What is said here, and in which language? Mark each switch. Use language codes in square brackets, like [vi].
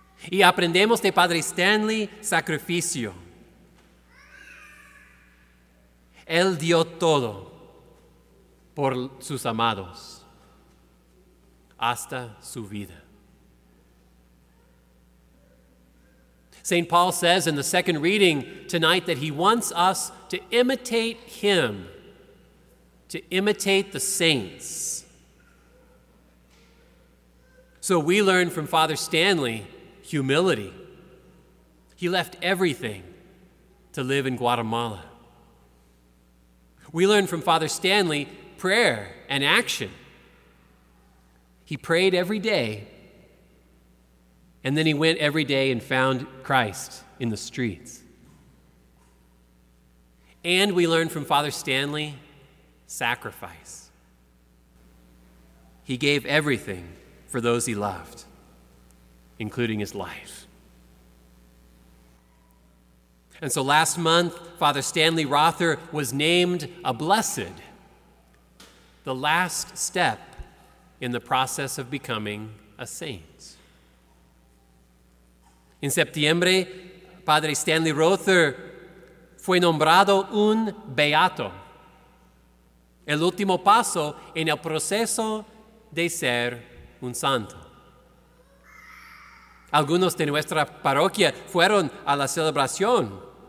[es] Y aprendemos de Padre Stanley sacrificio. Él dio todo por sus amados hasta su vida. [en] St. Paul says in the second reading tonight that he wants us to imitate him, to imitate the saints. So we learn from Father Stanley humility. He left everything to live in Guatemala. We learn from Father Stanley prayer and action. He prayed every day. And then he went every day and found Christ in the streets. And we learn from Father Stanley, sacrifice. He gave everything for those he loved, including his life. And so last month, Father Stanley Rother was named a blessed, the last step in the process of becoming a saint. [es] En septiembre, Padre Stanley Rother fue nombrado un beato, el último paso en el proceso de ser un santo. Algunos de nuestra parroquia fueron a la celebración.